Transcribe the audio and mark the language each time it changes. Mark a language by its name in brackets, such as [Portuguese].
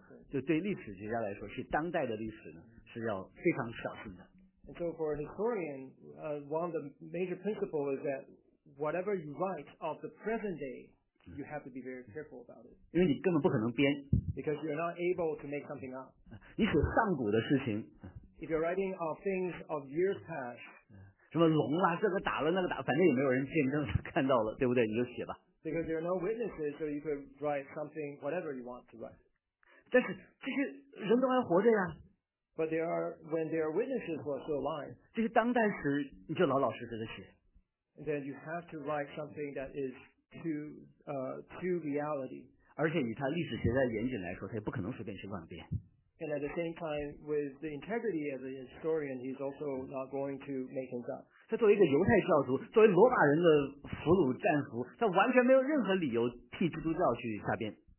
[Chinese] 就对历史学家来说, 是当代的历史呢, 是要非常小心的。 [English] And so for a historian, one of the major principles is that whatever you write of the present day, you have to be very careful about it. [Chinese] 因为你根本不可能编。 [English] Because you're not able to make something up. [Chinese] 你写上古的事情, [English] if you're writing of things of years past, [Chinese] 什么龙啊, 这个打了那个打, 反正也没有人见证, 看到了, 对不对, 你就写吧。 [English] Because there are no witnesses, so you could write something, whatever you want to write. [Chinese] 但是这些人都还活着呀。 [English] But there are, when there are witnesses who are still alive, [Chinese] 这些当代史, 你就老老实实地写。 [English] Then you have to write something that is to reality. [Chinese] 而且以他历史学家的严谨来说，他也不可能随便去乱编。 [English] And at the same time, with the integrity of the historian, he's also not going to make things up. [Chinese] 他作为一个犹太教徒，作为罗马人的俘虏战俘，他完全没有任何理由替基督教去瞎编。